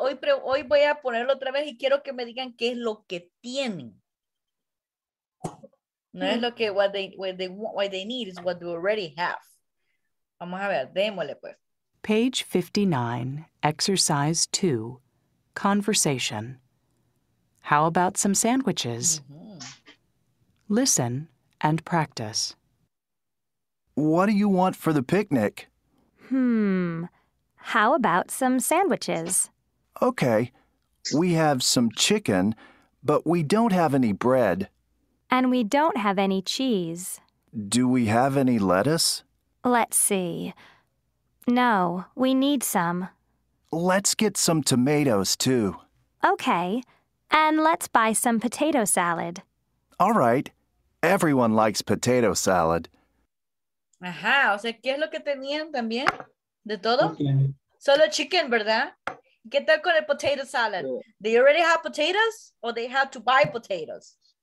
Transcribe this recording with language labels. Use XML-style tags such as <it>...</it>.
<es>Vaya. Y hoy voy a ponerlo otra vez y quiero que me digan qué es lo que tienen. No es lo que</es> <en>what they need is what they already have.</en> <es>Vamos a ver, démosle pues.</es> <en>Page 59, exercise 2, conversation. How about some sandwiches? Mm-hmm. Listen and practice. What do you want for the picnic? How about some sandwiches? Okay, we have some chicken, but we don't have any bread. And we don't have any cheese. Do we have any lettuce? Let's see. No, we need some. Let's get some tomatoes, too. Okay, and let's buy some potato salad. All right. Everyone likes potato salad.</en> <es>Ajá, o sea, ¿qué es lo que tenían también? ¿De todo? Okay. Solo chicken, ¿verdad? ¿Qué tal con el potato salad? Yeah.</es> <en>They already have potatoes or they have to buy potatoes?</en>